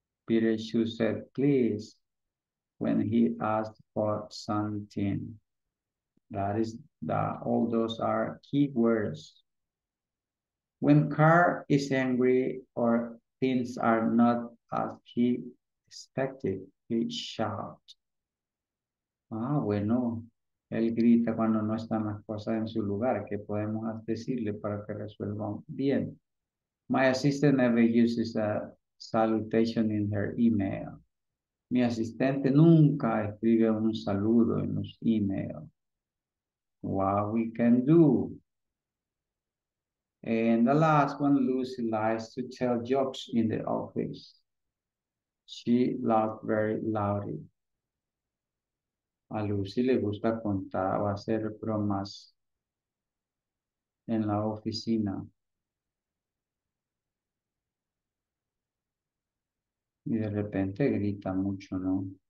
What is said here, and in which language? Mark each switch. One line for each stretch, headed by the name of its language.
English: Peter should say please when he asked for something. That is the, all those are key words. When Carl is angry or things are not as he expected, he shouts.
Spanish: Ah, bueno. Él grita cuando no están las cosas en su lugar. ¿Qué podemos decirle para que resuelvan bien?
English: My assistant never uses a salutation in her email.
Spanish: Mi asistente nunca escribe un saludo en los email.
English: What we can do? And the last one, Lucy likes to tell jokes in the office. She laughs very loudly.
Spanish: A Lucy le gusta contar o hacer bromas en la oficina. Y de repente grita mucho, ¿no?